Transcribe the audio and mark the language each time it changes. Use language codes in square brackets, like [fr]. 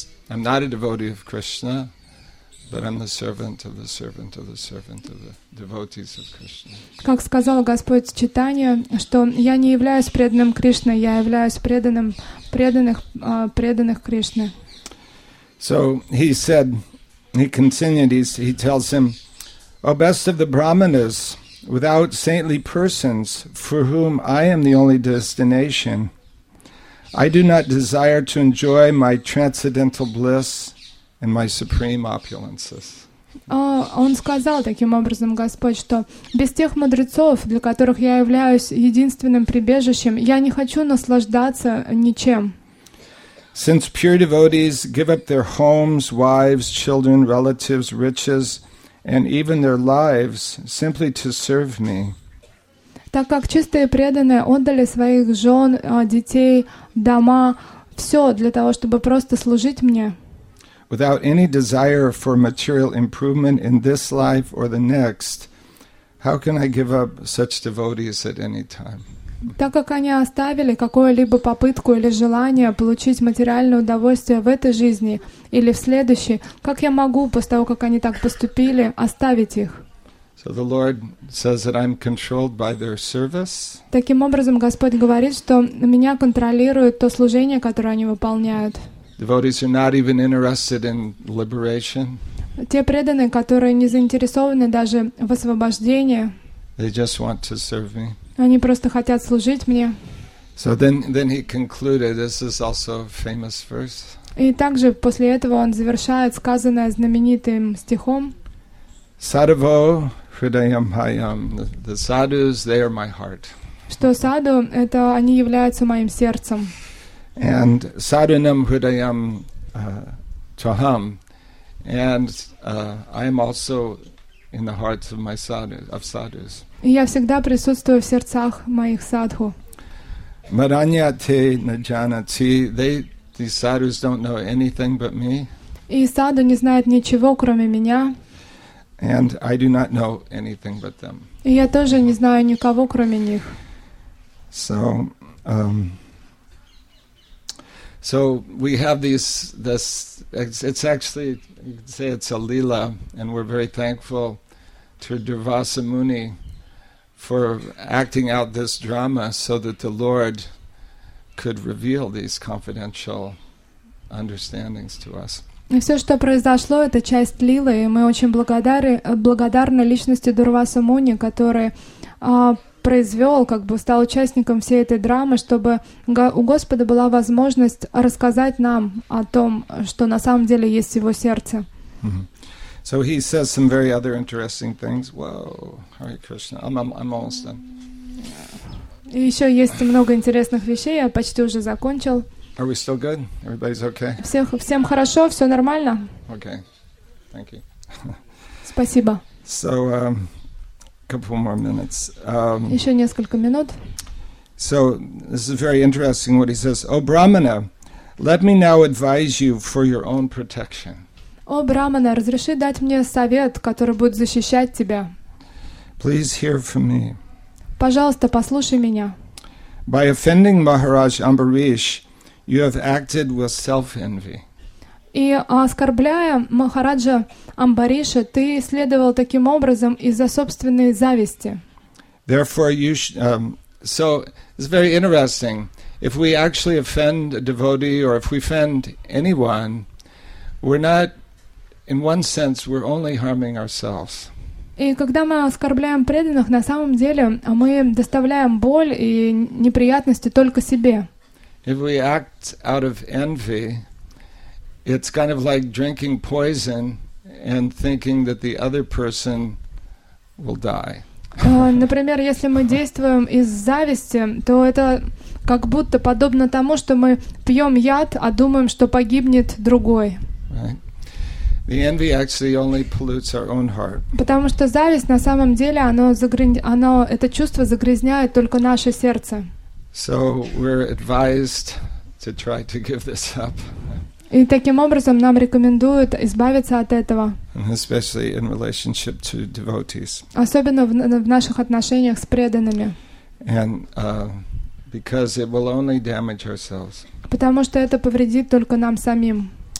[en] I'm not a devotee of Krishna, but I'm the servant of the servant of the servant of the devotees of Krishna. [ru] Как сказал Господь Читания, что я не являюсь преданным Кришны, я являюсь преданным преданных Кришны. [en] So he said, he continued, he tells him, O best of the brahmanas, without saintly persons, for whom I am the only destination, I do not desire to enjoy my transcendental bliss and my supreme opulences. [ru] Он сказал таким образом, Господь, что без тех мудрецов, для которых я являюсь единственным прибежищем, я не хочу наслаждаться ничем. [en] Since pure devotees give up their homes, wives, children, relatives, riches, and even their lives simply to serve me. [ru] Так как чистые преданные отдали своих жен, детей, дома, все для того, чтобы просто служить мне. [en] Without any desire for material improvement in this life or the next, how can I give up such devotees at any time? [ru] Так как они оставили какую-либо попытку или желание получить материальное удовольствие в этой жизни или в следующей, как я могу, после того, как они так поступили, оставить их? [en] So the Lord says that I'm controlled by their service. [ru] Таким образом, Господь говорит, что меня контролирует то служение, которое они выполняют. [en] Devotees are not even interested in liberation. [ru] Те преданные, которые не заинтересованы даже в освобождении, they just want to serve me. Они просто хотят служить мне. [en] So then he concluded, this is also a famous verse. [ru] И также после этого он завершает сказанное знаменитым стихом. [sa] Sadhavo hridayam hayam. [en] The sadhus, they are my heart. [ru] Что саду, это они являются моим сердцем. [en] And [sa] sadhunam hridayam chaham. [en] And I am also in the hearts of my sadhus, of sadhus. [ru] Я всегда присутствую в сердцах моих садху. [sa] Мараньяте наджанати, [en] these sadhus don't know anything but me. [ru] И саду не знает ничего, кроме меня. [en] And I do not know anything but them. [ru] И я тоже не знаю никого, кроме них. [en] So, so we have these. This it's actually, you could say it's a lila, and we're very thankful to Durvasa Muni for acting out this drama so that the Lord could reveal these confidential understandings to us. [ru] И все, что произошло, это часть лилы, и мы очень благодарны личности Дурваса Муни, который произвел, как бы стал участником всей этой драмы, чтобы у Господа была возможность рассказать нам о том, что на самом деле есть в его сердце. [en] So he says some very other interesting things. Whoa, Hare Krishna. I'm almost done. [ru] Еще есть много интересных вещей. Я почти уже закончил. [en] Are we still good? Everybody's okay? [ru] Всем хорошо, все нормально. [en] Okay, thank you. [ru] Спасибо. [en] So, couple more minutes. [ru] Еще несколько минут. [en] So this is very interesting. What he says, O Brahmana, let me now advise you for your own protection. [ru] О, Брамана, разреши дать мне совет, который будет защищать тебя. [en] Please hear from me. [ru] Пожалуйста, послушай меня. [en] By offending Maharaj Ambarish, you have acted with self-envy. [ru] И оскорбляя Махараджа Амбариша, ты следовал таким образом из-за собственной зависти. [en] Therefore, you so it's very interesting. If we actually offend a devotee or if we offend anyone, we're not in one sense, we're only harming ourselves. [ru] И когда мы оскорбляем преданных, на самом деле мы доставляем боль и неприятности только себе. [en] If we act out of envy, it's kind of like drinking poison and thinking that the other person will die. [ru] Например, если мы действуем из зависти, то это как будто подобно тому, что мы пьем яд, а думаем, что погибнет другой. [en] Right. The envy actually only pollutes our own heart. [ru] Потому что зависть на самом деле, это чувство загрязняет только наше сердце. [en] So we're advised to try to give this up. [ru] И таким образом нам рекомендуют избавиться от этого. [en] Especially in relationship to devotees. [ru] Особенно в наших отношениях с преданными. [en] And because it will only damage ourselves. [ru] Потому что это повредит только нам самим.